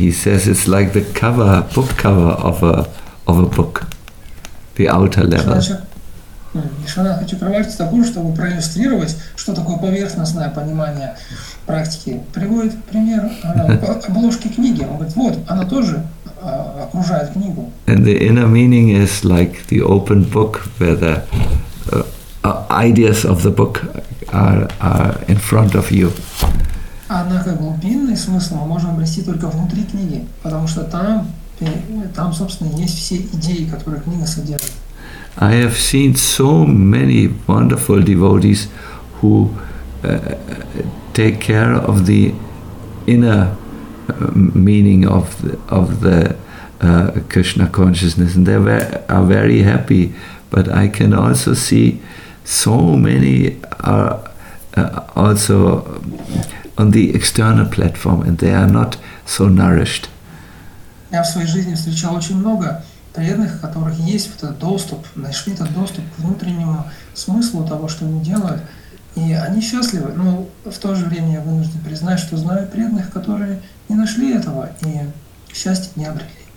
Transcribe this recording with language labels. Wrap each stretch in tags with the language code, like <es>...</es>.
<en>He says it's like the cover, book cover of a book, the outer level.</en> <ru>Vishwanath Chakravarti Thakur, чтобы проиллюстрировать, что такое поверхностное понимание практики, приводит пример обложки книги. Он говорит, вот, она тоже окружает книгу.</ru> <en>And the inner meaning is like the open book where the ideas of the book are in front of you.</en> <ru>Однако глубинный смысл мы можем обрести только внутри книги, потому что там, собственно, есть все идеи, которые книга содержит.</ru> <en>I have seen so many wonderful devotees who take care of the inner meaning of the Krishna consciousness, and they are very happy. But I can also see so many are also on the external platform, and they are not so nourished.</en> <ru>Я в своей жизни встречал очень много преданных, у которых есть вот этот доступ, нашли этот доступ к внутреннему смыслу того, что они делают, и они счастливы. Но в то же время я вынужден признать, что знаю преданных, которые не нашли этого, и счастья не обрели.</ru>